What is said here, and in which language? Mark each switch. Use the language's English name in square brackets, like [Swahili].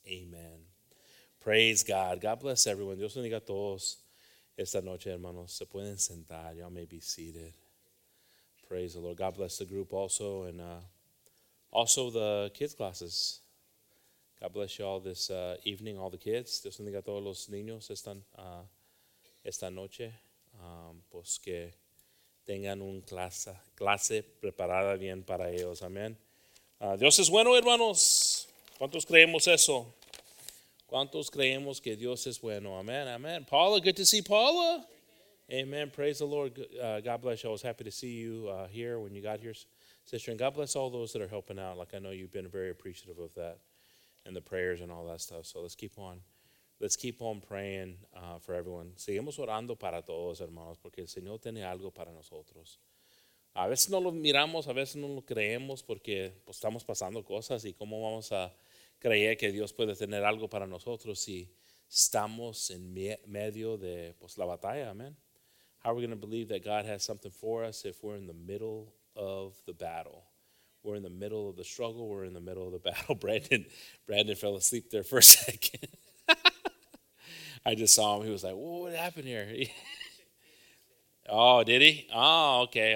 [English] Amen. Praise God. God bless everyone. [Spanish] Dios bendiga a todos esta noche, hermanos. Se pueden sentar. [English] Y'all may be seated. Praise the Lord. God bless the group also, and also the kids' classes. God bless you all this evening, all the kids. [Spanish] Dios bendiga a todos los niños esta noche. Pues que tengan un clase preparada bien para ellos. Amén. Dios es bueno, hermanos. ¿Cuántos creemos eso? ¿Cuántos creemos que Dios es bueno? Amén, amén. [English] Paula, good to see Paula. Amen. Praise the Lord. God bless you. I was happy to see you here when you got here, sister. And God bless all those that are helping out. Like, I know you've been very appreciative of that and the prayers and all that stuff. So let's keep on praying for everyone. [Spanish] Seguimos orando para todos, hermanos, porque el Señor tiene algo para nosotros. A veces no lo miramos, a veces no lo creemos, porque pues, estamos pasando cosas. Y cómo vamos a creer que Dios puede tener algo para nosotros si estamos en medio de pues, la batalla. [English] Amen. How are we going to believe that God has something for us if we're in the middle of the battle? We're in the middle of the struggle. We're in the middle of the battle. Brandon fell asleep there for a second. I just saw him. He was like, whoa, what happened here? Oh, did he? Oh, okay.